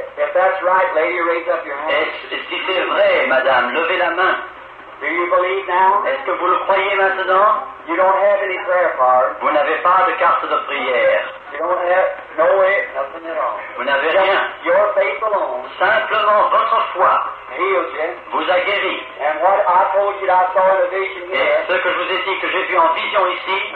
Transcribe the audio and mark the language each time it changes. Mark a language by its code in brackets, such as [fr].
[en] If that's right, lady, raise up your hand. [fr] Et si c'est vrai, madame, levez la main. [en] Do you believe now? [fr] Est-ce que vous le croyez maintenant? [en] You don't have any prayer card. [fr] Vous n'avez pas de carte de prière. [en] You don't have no way, nothing at all. [fr] Vous n'avez [en] just [fr] rien. [en] Your faith alone. [fr] Simplement votre foi. [en] Heals you. [fr] Vous a guéri. [en] And what I told you that I saw in a vision here. [fr] Et ce que je vous ai dit que j'ai vu en vision ici.